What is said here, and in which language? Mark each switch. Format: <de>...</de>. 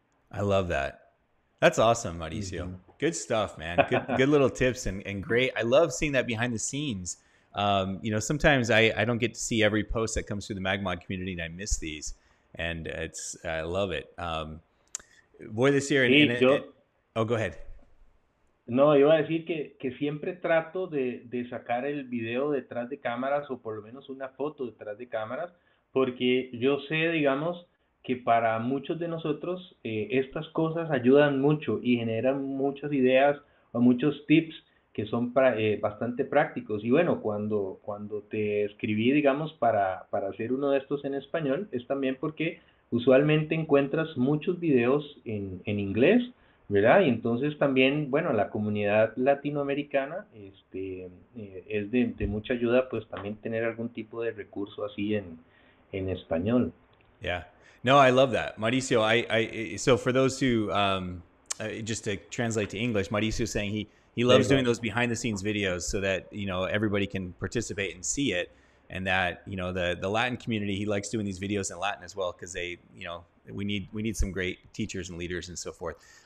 <en>I love that. That's awesome, Mauricio. Mm-hmm. Good stuff, man. Good little tips and great. I love seeing that behind the scenes. You know, sometimes I don't get to see every post that comes through the MagMod community, and I miss these, and it's, I love it. Boy, this year, go ahead.</en> <es>No, iba a decir que siempre trato de sacar el video detrás de cámaras, o por lo menos una foto detrás de cámaras, porque yo sé, digamos, que para muchos de nosotros, estas cosas ayudan mucho y generan muchas ideas o muchos tips que son bastante prácticos. Y bueno, cuando te escribí, digamos, para hacer uno de estos en español, es también porque usualmente encuentras muchos videos en inglés, ¿verdad? Y entonces también, bueno, la comunidad latinoamericana es de mucha ayuda, pues también tener algún tipo de recurso así en español.</es> <en>Yeah. No, I love that. Mauricio, so for those who, just to translate to English, Mauricio is saying he loves doing those behind the scenes videos so that, you know, everybody can participate and see it. And that, you know, the Latin community, he likes doing these videos in Latin as well, because they, you know, we need some great teachers and leaders and so forth.</en>